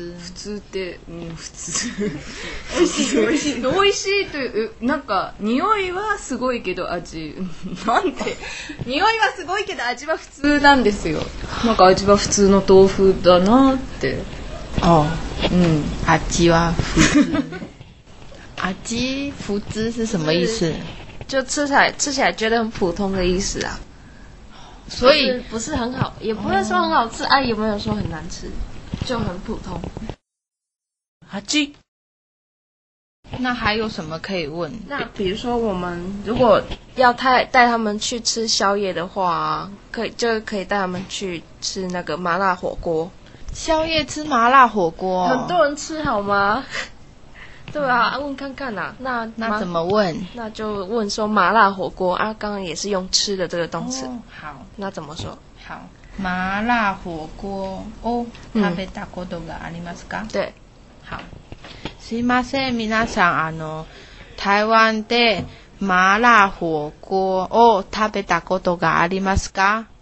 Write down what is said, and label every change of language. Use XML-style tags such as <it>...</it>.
<ja>うん、普通って、うん、普通美味しい美味しい美味しいというなんか匂いはすごいけど味なんて匂いはすごいけど味は普通なんですよ。なんか味は普通の豆腐だなって。あ、うん、味は普通</ja> <zh>味普通是什么意思？就吃起来觉得很普通的意思啊。所以不是很好，也不会说很好吃，哎、哦啊，有没有说很难吃？就很普通。阿基，那还有什么可以问？那比如说我们如果要带他们去吃宵夜的话，可以带他们去吃那个麻辣火锅。宵夜吃麻辣火锅，很多人吃好吗？对啊，问看看啊。那怎么问？那就问说麻辣火锅啊，刚刚也是用吃的这个动词、哦。好，那怎么说？</zh> <ja>好，麻辣火锅哦，食べたことがありますか？</ja> <zh>对，好。</zh> <ja>すいません、皆さん、あの台湾で麻辣火锅を食べたことがありますか？</ja>